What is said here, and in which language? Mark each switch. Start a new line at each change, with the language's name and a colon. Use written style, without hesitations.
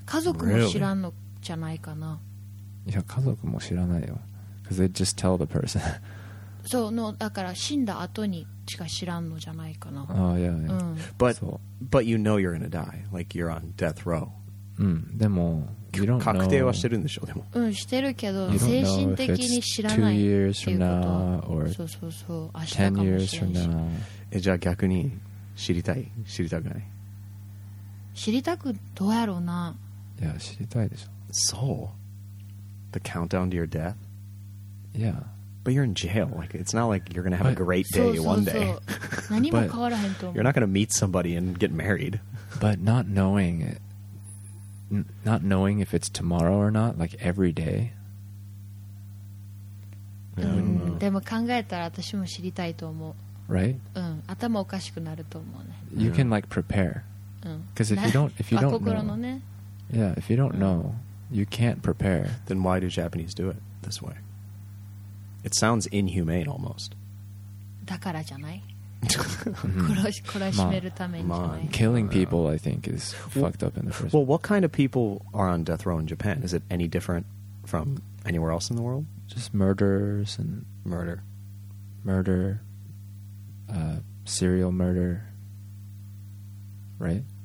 Japanese: 家族も知らんのじゃないかな.
English: Yeah,
Japanese: 家族も知らないよ.
English: Because they just tell the person. So, no,
Japanese: だから死んだ後にしか知らんのじゃないかな。ああ、いやいや。
English: But so. But you know you're gonna die, like you're on death row.
Japanese: うん。でも
English: you don't know.
Japanese: 確定はしてるんでしょう。でも。うん、してるけど精神的に知らないっていうこと。
English: Two years from now, or
Japanese: そうそうそう明日かもしれないし。じゃあ逆に知りたい、知りたくない。知りたくどうやろうな。いや、知りたいでしょ。
English: So, the countdown to your death. Yeah. But you're in jail. Like, it's not like you're going to have a great day one day. You're not going to meet somebody and get married. But not knowing, not knowing if it's tomorrow or not, like every day.
Japanese: でも考えたら私も知りたいと思う。
English: Right?
Japanese: うん。頭おかしくなると思うね。
English: You can like prepare. Because if you don't know. Yeah, if you don't know, you can't prepare. Then why do Japanese do it this way? It sounds inhumane almost.
Japanese: だからじゃない。殺しめるためにじゃない。
English: Killing people, I think, is fucked up in the first place. Well, what kind of people are on death row in Japan? Is it any different from anywhere else in the world? Just murders and... Murder. Murder. Serial murder. Right?